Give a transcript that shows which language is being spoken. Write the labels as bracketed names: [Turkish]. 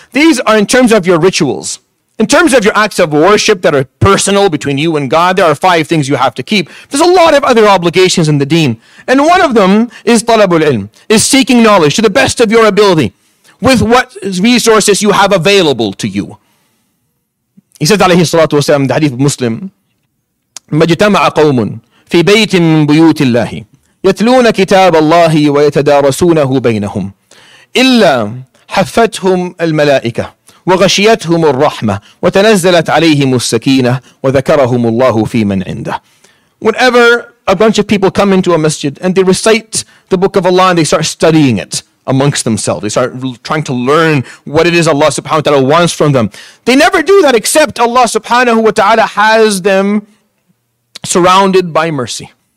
[English] These are in terms of your rituals. In terms of your acts of worship that are personal between you and God, there are five things you have to keep. There's a lot of other obligations in the deen. And one of them is talabul ilm, is seeking knowledge to the best of your ability with what resources you have available to you. He says, alayhi salatu wasalam, the hadith of Muslim, [Arabic] مَجْتَمَعَ قَوْمٌ فِي بَيْتٍ مِّن بُيُوتِ اللَّهِ يَتْلُونَ كِتَابَ اللَّهِ وَيَتَدَارَسُونَهُ بَيْنَهُمْ إِلَّا حَفَّتْهُمْ الْمَلَائِكَةِ وغشيتهم الرحمة وتنزلت عليهم السكينة وذكرهم الله في من عنده. [English] Whenever a bunch of people come into a masjid and they recite the book of Allah and they start studying it amongst themselves, they start trying to learn what it is Allah subhanahu wa ta'ala wants from them. They never do that except Allah subhanahu wa ta'ala has them surrounded by mercy.